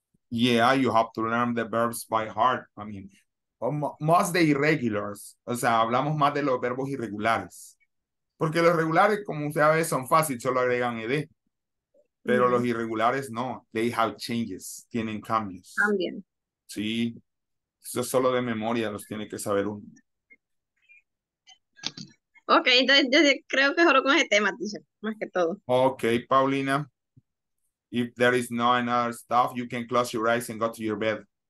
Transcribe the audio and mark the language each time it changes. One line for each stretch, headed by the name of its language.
English: Yeah, you have to learn the verbs by heart. I mean,
Spanish: más de
English: irregulars.
Spanish: O sea, hablamos más de los verbos irregulares. Porque los regulares, como usted sabe, son fáciles, solo agregan ed. Pero los irregulares no,
English: they have changes,
Spanish: tienen cambios. Cambian. Sí, eso es solo de memoria, los tiene que saber uno. Ok, entonces yo creo que solo con ese tema, dice, más que todo.
English: Ok, Paulina, if there is no another stuff, you can close your eyes and go to your bed.